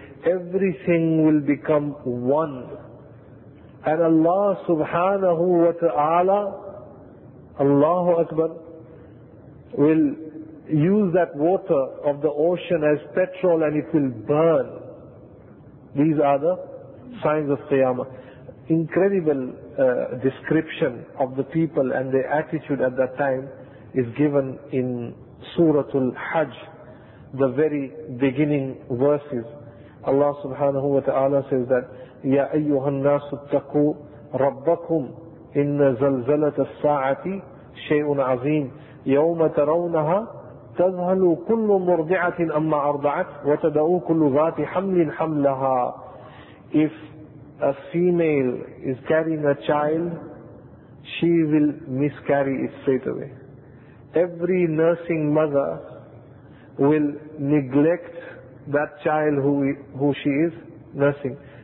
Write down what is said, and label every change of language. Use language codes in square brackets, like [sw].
[en] Everything will become one. And Allah subhanahu wa ta'ala, Allahu Akbar, will use that water of the ocean as petrol and it will burn. These are the signs of Qiyamah. Incredible description of the people and their attitude at that time is given in Suratul Hajj, the very beginning verses. Allah subhanahu wa ta'ala says that, [ar] يَا أَيُّهَا النَّاسُ اتَّقُوا رَبَّكُمْ إِنَّ زَلْزَلَةَ السَّاعَةِ شَيْءٌ عَظِيمٌ يَوْمَ تَرَوْنَهَا تَذْهَلُ كُلُّ مُرْضِعَةٍ أَمَّا أَرْضَعَتْ وَتَدَعُو كُلُّ ذَاتِ حَمْلٍ حَمْلَهَا. [en] If a female is carrying a child, she will miscarry it straight away. Every nursing mother will neglect that child who she is nursing.